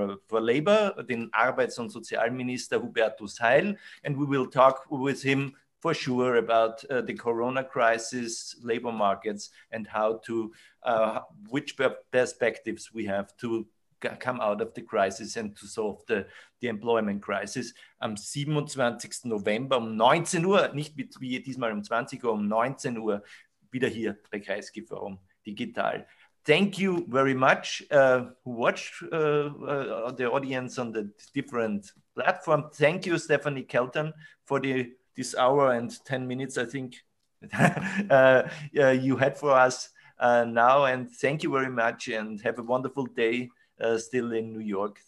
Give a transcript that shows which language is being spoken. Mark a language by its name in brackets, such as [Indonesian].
[English] Labor, the Arbeits- und Sozialminister Hubertus Heil, and we will talk with him for sure about the Corona crisis, labor markets, and how to which perspectives we have to come out of the crisis and to solve the employment crisis. [German] Am 27. November um 19 Uhr, nicht wie diesmal um 20 Uhr, um 19 Uhr wieder hier bei Kreisky Forum digital. [English] Thank you very much who watched the audience on the different platform. Thank you, Stephanie Kelton, for this hour and 10 minutes, I think, you had for us now. And thank you very much, and have a wonderful day still in New York.